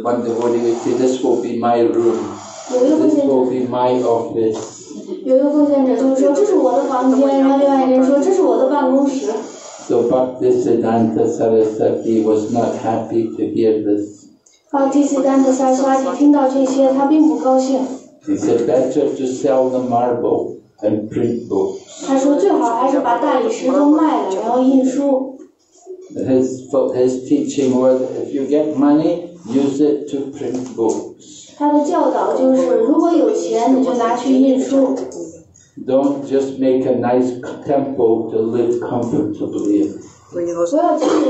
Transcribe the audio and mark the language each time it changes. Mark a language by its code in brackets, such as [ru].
[en] one devotee said, "This will be my room. This will be my office." [zh] 有一个奉献者就是说这是我的房间，然后另外一个人说这是我的办公室。 [en] So Bhaktisiddhanta Sarasvati was not happy to hear this. [zh] 奉献者萨斯瓦提听到这些，他并不高兴。 [en] He said better to sell the marble and print books. [zh] 他说最好还是把大理石都卖了，然后印书。 [en] His teaching was if you get money, use it to print books. [zh] 他的教导就是如果有钱，你就拿去印书。 [en] Don't just make a nice temple to live comfortably in.